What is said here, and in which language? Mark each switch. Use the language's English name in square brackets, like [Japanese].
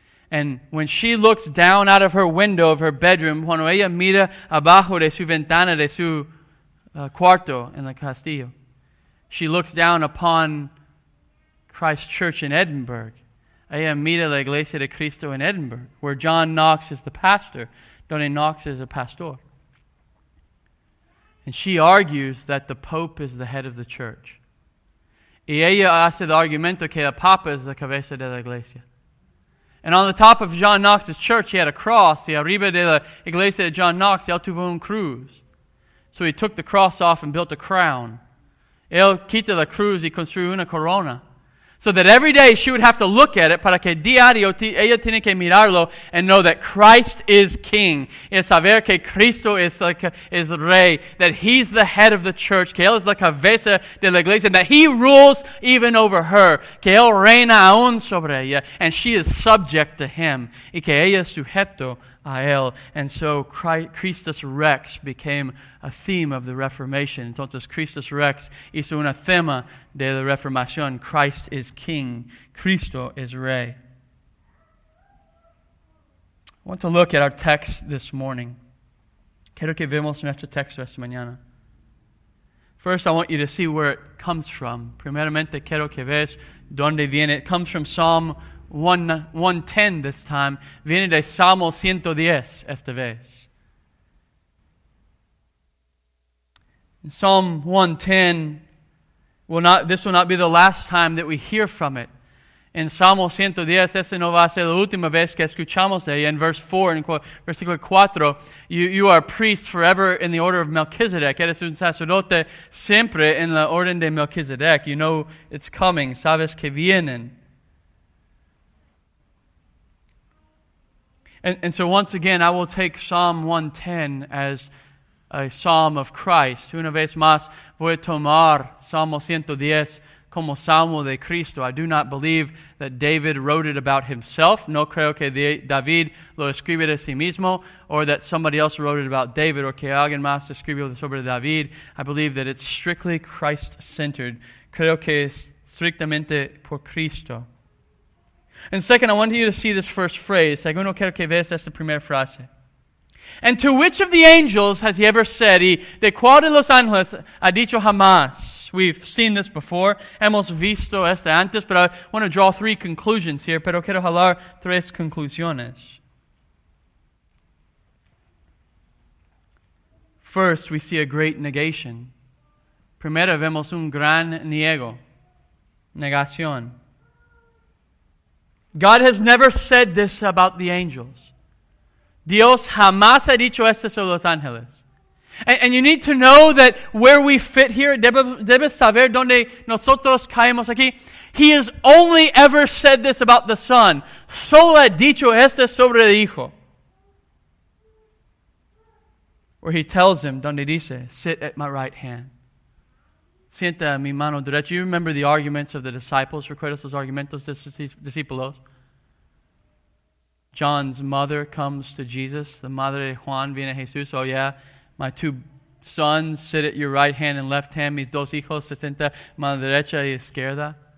[English] And when she looks down out of her window of her bedroom, [Spanish] cuando ella mira abajo de su ventana de su cuarto en la Castilla, [English] she looks down upon Christ Church in Edinburgh. [Spanish] Ella mira la Iglesia de Cristo [English] in Edinburgh, where John Knox is the pastor. Donnie Knox is a pastor. And she argues that the Pope is the head of the church. [Spanish] Y ella hace el argumento que el Papa es la cabeza de la Iglesia. [English] And on the top of John Knox's church, he had a cross. [Spanish] Y arriba de la Iglesia de John Knox, él tuvo un cruz. [English] So he took the cross off and built a crown. [Spanish] Él quita la cruz y construyó una corona. [English] So that every day she would have to look at it, [Spanish] para que diario ella tiene que mirarlo [English] and know that Christ is king. [Spanish] Y saber que Cristo es rey, [English] that he's the head of the church, [Spanish] que él es la cabeza de la iglesia, [English] and that he rules even over her, [Spanish] que él reina aún sobre ella, [English] and she is subject to him, [Spanish] y que ella sujeto a él. [English] And so Christus Rex became a theme of the Reformation. [Spanish] Entonces, Christus Rex hizo un tema de la Reformación. [English] Christ is king. [Spanish] Cristo es rey. [English] I want to look at our text this morning. [Spanish] Quiero que vemos nuestro texto esta mañana. [English] First, I want you to see where it comes from. [Spanish] Primeramente, quiero que veas dónde viene. [English] It comes from Psalm 110 this time. [Spanish] Viene de Salmo 110 esta vez. [English] In Psalm 110, this will not be the last time that we hear from it. In Psalm 110, [Spanish] esa no va a ser la última vez que escuchamos de ella. [English] In verse 4, [Spanish] in versículo 4, [English] you are a priest forever in the order of Melchizedek. [Spanish] Eres un sacerdote siempre en la orden de Melchizedek. [English] You know it's coming. [Spanish] Sabes que vienen. [English] And so once again, I will take Psalm 110 as a psalm of Christ. [Spanish] Una vez más, voy a tomar Salmo 110 como Salmo de Cristo. [English] I do not believe that David wrote it about himself. [Spanish] No creo que David lo escribió de sí mismo, [English] or that somebody else wrote it about David, or [Spanish] que alguien más escribió sobre David. [English] I believe that it's strictly Christ-centered. [Spanish] Creo que es strictamente por Cristo. [English] And second, I want you to see this first phrase. [Spanish] Segundo, quiero que veas esta primera frase. [English] And to which of the angels has he ever said, [Spanish] y de cuál de los ángeles ha dicho jamás? [English] We've seen this before. [Spanish] Hemos visto esta antes, [English] but I want to draw three conclusions here. [Spanish] Pero quiero hablar tres conclusiones. [English] First, we see a great negation. [Spanish] Primero, vemos un gran niego. Negación. [English] God has never said this about the angels. [Spanish] Dios jamás ha dicho esto sobre los ángeles. [English] And you need to know that where we fit here, [Spanish] debes saber dónde nosotros caemos aquí. [English] He has only ever said this about the Son. [Spanish] Solo ha dicho esto sobre el Hijo. [English] Where he tells him, [Spanish] donde dice, [English] sit at my right hand. [Spanish] Sienta mi mano derecha. [English] You remember the arguments of the disciples. [Spanish] Recuerda esos argumentos de sus discípulos. [English] John's mother comes to Jesus. [Spanish] The madre de Juan viene a Jesús. [English] Oh yeah, my two sons sit at your right hand and left hand. [Spanish] Mis dos hijos se sienta mano derecha y izquierda.